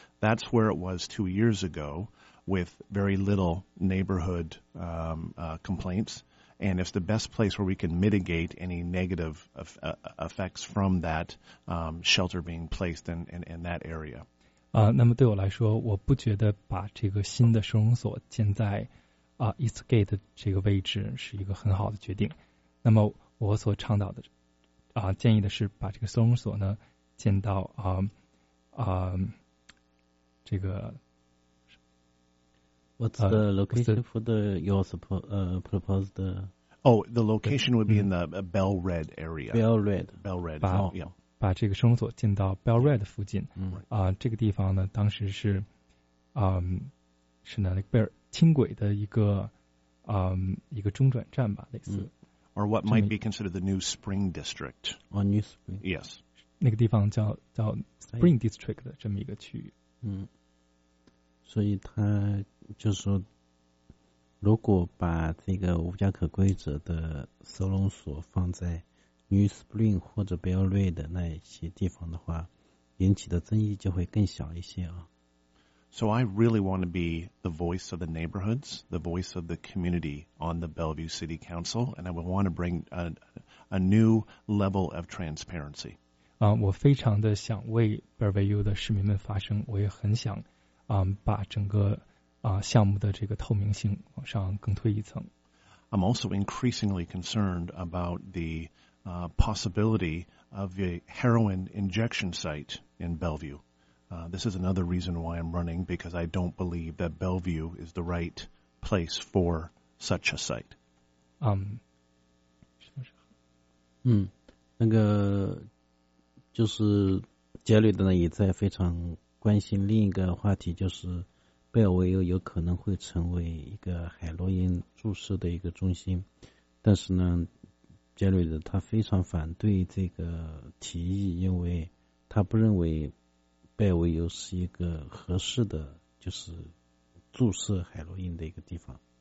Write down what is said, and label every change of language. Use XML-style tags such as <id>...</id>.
<en>That's where it was 2 years ago with very little neighborhood complaints. And it's the best place where we can mitigate any negative effects from that shelter being placed in that area.</en> <zh>那么对我来说，我不觉得把这个新的收容所建在Eastgate 这个位置是一个很好的决定。那么我所倡导的建议的是把这个收容所呢建到这个。</zh> <en>What's the location for the your proposed? Oh, the location would be in the Bell Red area. Bell Red.</en> <zh>把这个收容所建到 Bell Red 附近。这个地方呢，当时是，是那个贝尔轻轨的一个，一个中转站吧，类似。</zh> <en>Or what might be considered the new Spring District? Or New Spring? Yes.</en> <zh>那个地方叫 Spring District 的这么一个区域。所以他就是说，如果把这个无家可归者的收容所放在 New Spring 或者 Bell Red 的那些地方的话，引起的争议就会更小一些啊。</zh> <en>So I really want to be the voice of the neighborhoods, the voice of the community on the Bellevue City Council, and I would want to bring a new level of transparency.</en> <zh>我非常的想为 Bellevue 的市民们发声，我也很想。把整个项目的这个透明性往上更推一层。</zh> <en>I'm also increasingly concerned about the possibility of a heroin injection site in Bellevue. This is another reason why I'm running, because I don't believe that Bellevue is the right place for such a site.</en> <zh>那个就是杰瑞的呢，也在非常。关心另一个话题，就是贝尔维尤有可能会成为一个海洛因注射的一个中心，但是呢，杰瑞德他非常反对这个提议，因为他不认为贝尔维尤是一个合适的就是注射海洛因的一个地方。</zh>